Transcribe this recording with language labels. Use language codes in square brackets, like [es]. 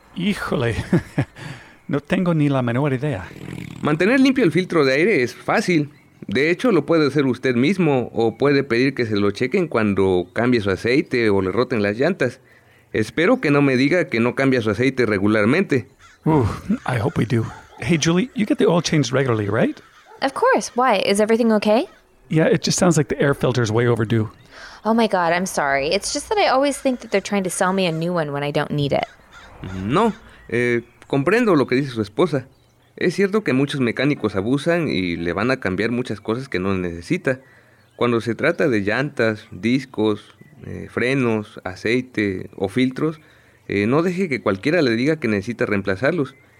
[es] Híjole, no tengo ni la menor idea. Mantener limpio el filtro de aire es fácil. De hecho, lo puede hacer usted mismo o puede pedir que se lo chequen cuando cambie su aceite o le roten las llantas. Espero que no me diga que no cambia su aceite regularmente. [en] I hope we do. Hey, Julie, you get the oil changed regularly, right? Of course. Why? Is everything okay? Yeah, it just sounds like the air filter is way overdue. Oh my God, I'm sorry. It's just that I always think that they're trying to sell me a new one when I don't need it. [es] No, comprendo lo que dice su esposa. Es cierto que muchos mecánicos abusan y le van a cambiar muchas cosas que no necesita. Cuando se trata de llantas, discos, frenos, aceite o filtros, no deje que cualquiera le diga que necesita reemplazarlos.